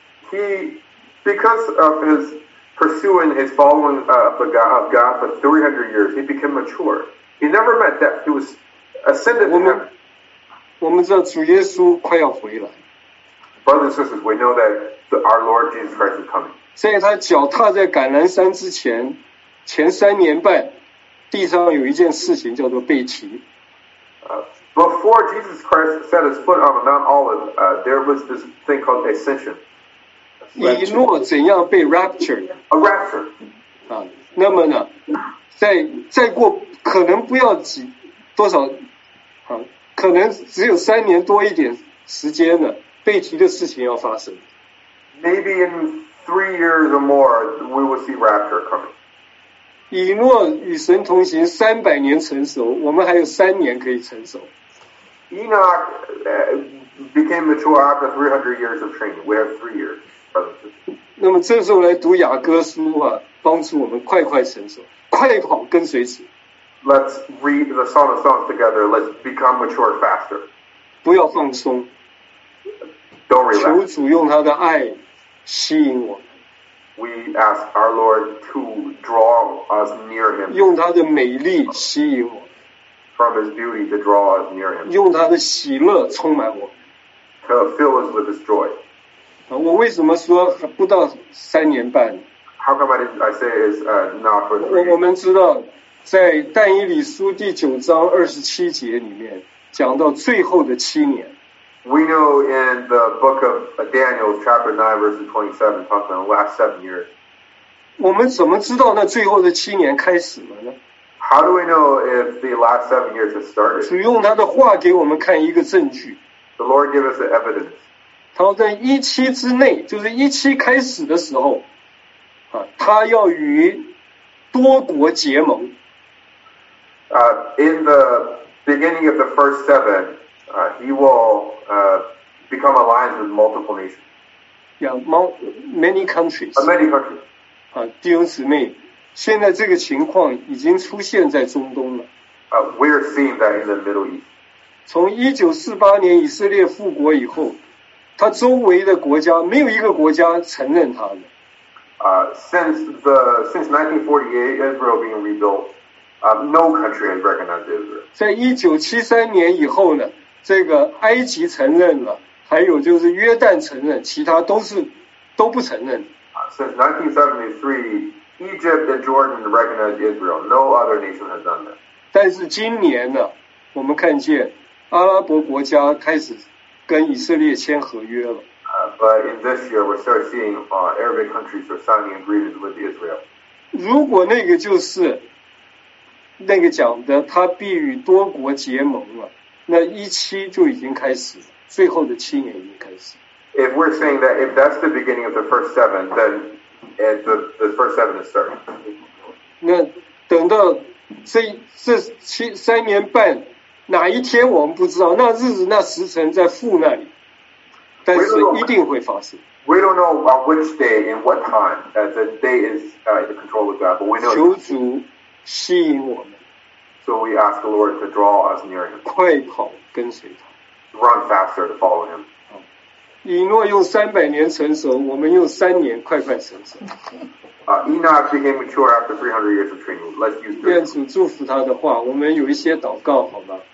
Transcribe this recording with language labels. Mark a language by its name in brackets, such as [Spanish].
[English] He because of his pursuing his following of God for 300 years, he became mature. He never met death. He was ascended. [Chinese] 我们知道主耶稣快要回来。 [English] Brothers and sisters, we know that our Lord Jesus Christ is coming. [Chinese] 在他脚踏在橄榄山之前，前三年半，地上有一件事情叫做背起。 [English] Before Jesus Christ set his foot on Mount Olive, there was this thing called ascension. [Chinese] 以诺怎样被 raptured? [English] A rapture. [Chinese] 啊，那么呢，再过可能不要几多少，啊，可能只有三年多一点时间呢，背起的事情要发生。 [English] Maybe in 3 years or more, we will see rapture coming. [Chinese] 以诺与神同行300年成熟，我们还有3年可以成熟。 [English] Enoch became mature after 300 years of training. We have 3 years. [Chinese] 那么这时候来读雅各书啊，帮助我们快快成熟，快跑跟随主。 [English] Let's read the Song of Songs together. Let's become mature faster. [Chinese] 不要放松。 [English] Don't relax. [Chinese] 求主用他的爱吸引我。 [English] We ask our Lord to draw us near Him. [Chinese] 用他的美丽吸引我。 [English] From His beauty to draw us near Him. [Chinese] 用他的喜乐充满我。 [English] To fill us with His joy. [Chinese] 我为什么说不到三年半？ [English] How come I say it's not for three? [Chinese] 我们知道，在但以理书第9:27里面讲到最后的七年。 [English] We know in the book of Daniel, chapter 9, verse 27, talking about the last 7 years. [Chinese] 我们怎么知道那最后的七年开始了呢？ [English] How do we know if the last 7 years has started? [Chinese] 主用他的话给我们看一个证据。 [English] The Lord gave us the evidence. [Chinese] 他说在一期之内，就是一期开始的时候，啊，他要与多国结盟。 [English] In the beginning of the first seven,he will become aligned with multiple nations. Yeah, many countries. Many countries. [Chinese] 啊，弟兄姊妹，现在这个情况已经出现在中东了。 [English] We are seeing that in the Middle East. [Chinese] 从1948年以色列复国以后，他周围的国家没有一个国家承认他的。 [English] Since 1948, Israel being rebuilt, no country has recognized Israel. [Chinese] 在1973年以后呢？这个埃及承认了，还有就是约旦承认，其他都不承认。 [English] Since 1973, Egypt and Jordan recognized Israel. No other nation has done that. [Chinese] 但是今年呢，我们看见阿拉伯国家开始跟以色列签合约了。 [English] But in this year, we start seeing Arabic countries are signing agreements with Israel. [Chinese] 如果那个就是那个讲的，他必与多国结盟了。那一期就已经开始，最后的七年已经开始。 [English] If we're saying that if that's the beginning of the first seven, then the first seven is starting. [Chinese] 那等到这七三年半，哪一天我们不知道，那日子那时辰在父那里，但是一定会发生。 [English] We don't know on which day and what time that the day is the control of God, but we know. [Chinese] 求主吸引我们。 [English] So we ask the Lord to draw us near Him. [Chinese] 快跑跟随他。 [English] Run faster to follow Him. [Chinese] 以诺用300年成熟，我们用3年快快成熟。 [English] Enoch became mature after 300 years of training. Let's use. [Chinese] 愿主祝福他的话，我们有一些祷告，好吗